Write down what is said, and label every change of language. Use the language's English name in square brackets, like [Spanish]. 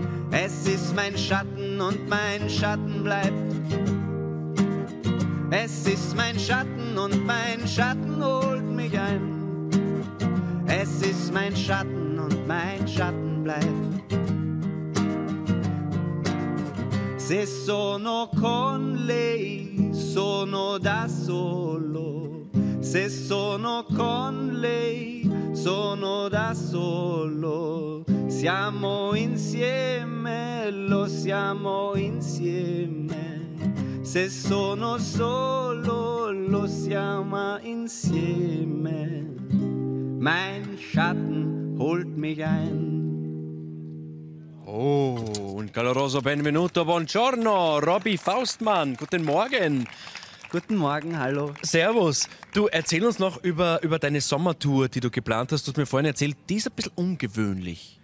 [German] Es ist mein Schatten und mein Schatten bleibt. Es ist mein Schatten und mein Schatten holt mich ein. Es ist mein Schatten und mein Schatten bleibt. [Italian] Se sono con lei, sono da solo. Se sono con lei, sono da solo. Siamo insieme, lo siamo insieme. Se sono solo, lo siamo insieme. Mein Schatten holt mich ein. Oh, un caloroso benvenuto, buongiorno, Robby Faustmann. [German] Guten Morgen. Guten Morgen, hallo. Servus. Du, erzähl uns noch über deine Sommertour, die du geplant hast. Du hast mir vorhin erzählt, die ist ein bisschen ungewöhnlich.